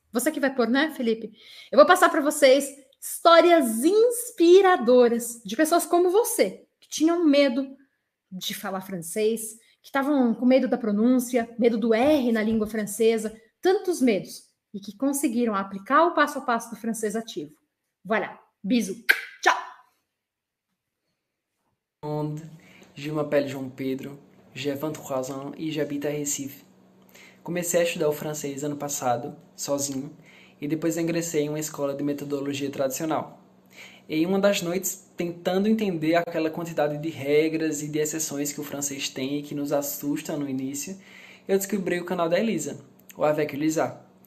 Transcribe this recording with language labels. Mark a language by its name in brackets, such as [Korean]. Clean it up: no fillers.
[Portuguese] Você que vai pôr, né, Felipe? Eu vou passar para vocês... histórias inspiradoras de pessoas como você, que tinham medo de falar francês, que estavam com medo da pronúncia, medo do R na língua francesa, tantos medos, e que conseguiram aplicar o passo a passo do francês ativo. [French] Voilà, bisous, tchau! Je m'appelle João Pedro, j'ai 23 ans e j'habite à Recife. [Portuguese] Comecei a estudar o francês ano passado, sozinho, e depois ingressei em uma escola de metodologia tradicional. Em uma das noites, tentando entender aquela quantidade de regras e de exceções que o francês tem e que nos assustam no início, eu descobri o canal da Elisa, o Avec Elisa.